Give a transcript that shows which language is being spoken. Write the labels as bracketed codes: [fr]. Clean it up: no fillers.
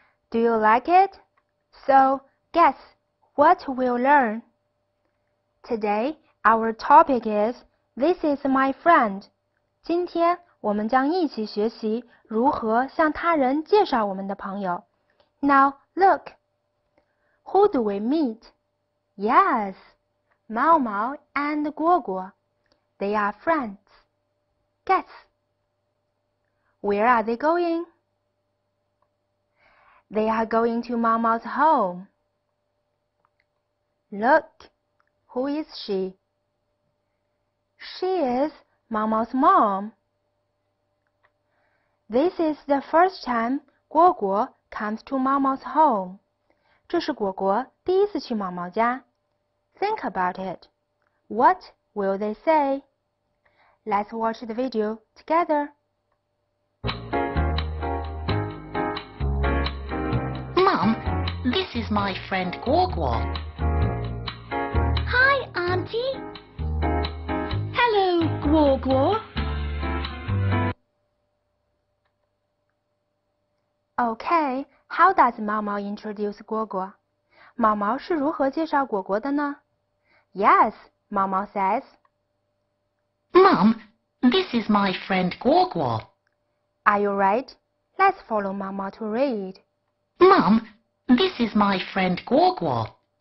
[en] Do you like it? So, guess what we'll learn? Today, our topic is This is my friend. [zh] 今天我们将一起学习如何向他人介绍我们的朋友。 [en] Now, look. Who do we meet? Yes, Mao Mao and Guo Guo. They are friends. Guess. Where are they going? They are going to Mao Mao's home. Look, who is she? She is Mao Mao's mom. This is the first time Guo Guo comes to Mao Mao's home. [zh] 这是果果第一次去毛毛家。 [en] Think about it. What will they say? Let's watch the video together. This is my friend Guo Guo. Hi, Auntie. Hello, Guo Guo. Okay, how does Mao Mao introduce Guo Guo? [zh] 毛毛是如何介绍果果的呢? [en] Yes, Mao Mao says. Mom, this is my friend Guo Guo. Are you right? Let's follow Mao Mao to read. Mom,This is my friend Guo Guo.